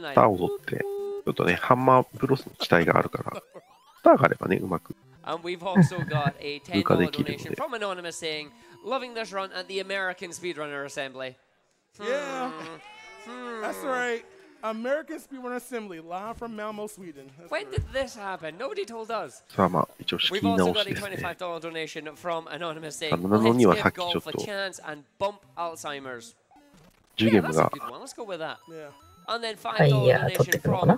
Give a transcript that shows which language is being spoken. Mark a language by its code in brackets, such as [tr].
[ja] スターを取って、ちょっとね、ハンマーブロスの期待があるから、スターがあればね、うまく [en] And we've also got a $10 donation from Anonymous saying, loving this run at the American Speedrunner Assembly. Yeah. That's right. American Speedrunner Assembly, live from Malmo, Sweden. That's when right. did this happen? Nobody told us. We've also got a $25 donation from Anonymous saying, let's give golf a chance and bump Alzheimer's. [ja] ジュゲムが、ファイヤー取ってくるのかな。